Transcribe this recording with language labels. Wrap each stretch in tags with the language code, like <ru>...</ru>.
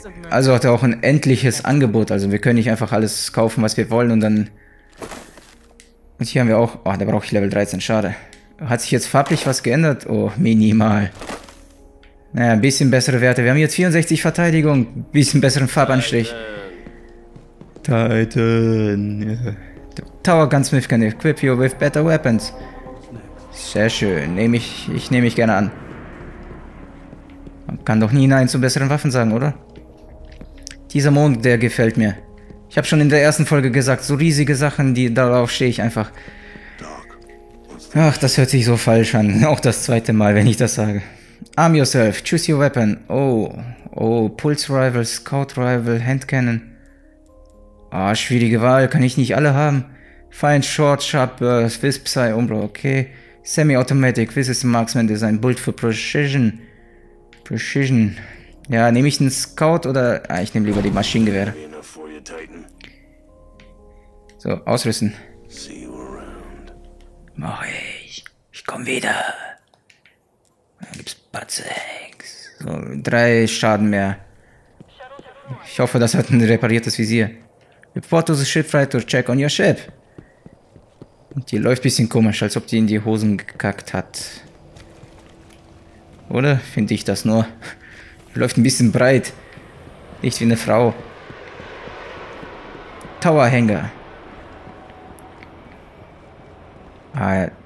<de>Also hat er auch ein endliches Angebot. Also wir können nicht einfach alles kaufen, was wir wollen und dann... Und hier haben wir auch... Oh, da brauche ich Level 13, schade. Hat sich jetzt farblich was geändert? Oh, minimal. Naja, ein bisschen bessere Werte. Wir haben jetzt 64 Verteidigung. Bisschen besseren Farbanstrich. Titan.</de> <en>Tower Gunsmith can equip you with better weapons.</en> <de>Sehr schön. Ich nehme mich gerne an. Man kann doch nie Nein zu besseren Waffen sagen, oder? Dieser Mond, der gefällt mir. Ich habe schon in der ersten Folge gesagt, so riesige Sachen, die darauf stehe ich einfach. Ach, das hört sich so falsch an. Auch das zweite Mal, wenn ich das sage.</de> <en>Arm yourself, choose your weapon. Oh, oh, Pulse Rival, Scout Rival, Hand Cannon.</en> <de>Ah, schwierige Wahl, kann ich nicht alle haben.</de> <en>Find Short, Sharp Burst, Wisp, Psy, Umbra, okay. Semi-Automatic, this is Marksman Design, Bullet for Precision. Precision.</en> <de>Ja, nehme ich einen Scout oder... Ah, ich nehme lieber die Maschinengewehre. So, ausrüsten. Mach ich. Ich komme wieder. Dann gibt's Batzex. So, 3 Schaden mehr. Ich hoffe, das hat ein repariertes Visier.</de> <en>Report to the ship right to check on your ship.</en> <de>Und die läuft ein bisschen komisch, als ob die in die Hosen gekackt hat. Oder? Finde ich das nur. Läuft ein bisschen breit. Nicht wie eine Frau. Tower Hangar. Ah,</de>